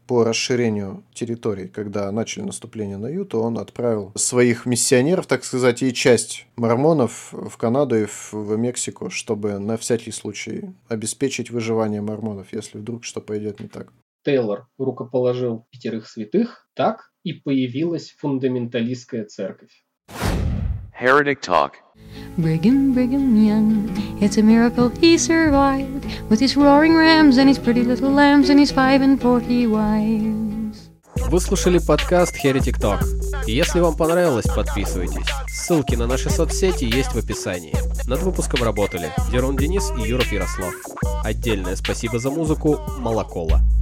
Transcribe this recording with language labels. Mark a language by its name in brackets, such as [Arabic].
[Russian] По расширению территории, когда начали наступление на Юту, он отправил своих миссионеров, так сказать, и часть мормонов в Канаду и в Мексику, чтобы на всякий случай обеспечить выживание мормонов, если вдруг что пойдет не так. Тейлор рукоположил 5 святых, так и появилась фундаменталистская церковь. [English] Heretic Talk. Brigham, Brigham Young, it's a miracle he survived with his roaring rams and his pretty little lambs and his 45 wives. [Russian] Вы слушали подкаст Heretic Talk. Если вам понравилось, подписывайтесь. Ссылки на наши соцсети есть в описании. Над выпуском работали Дерун Денис и Юров Ярослав. Отдельное спасибо за музыку Молокола.